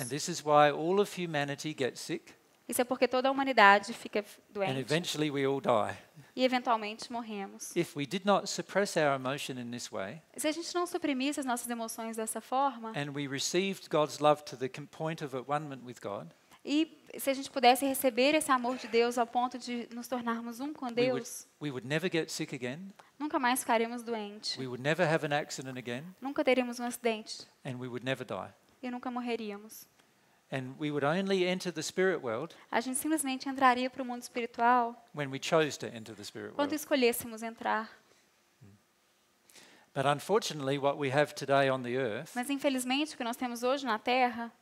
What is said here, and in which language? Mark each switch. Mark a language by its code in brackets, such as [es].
[en] And this is why all of humanity gets sick. [pt] Isso é porque toda a humanidade fica doente. [en] And eventually we all die. [pt] E eventualmente morremos. [en] If we did not suppress our emotion in this way, [pt] se a gente não suprimisse as nossas emoções dessa forma, [en] and we received God's love to the point of atonement with God, [pt] e se a gente pudesse receber esse amor de Deus ao ponto de nos tornarmos com Deus, [en] we would never get sick again. [pt] Nunca mais ficaremos doentes. [en] We would never have an accident again. [pt] Nunca teríamos um acidente. [en] And we would never die. [pt] E nunca morreríamos. [en] And we would only enter the spirit world. [pt] A gente simplesmente entraria para o mundo espiritual. [en] When we chose to enter the spirit world. [pt] Quando escolhêssemos entrar. [en] But unfortunately, what we have today on the earth. [pt] Mas infelizmente o que nós temos hoje na Terra.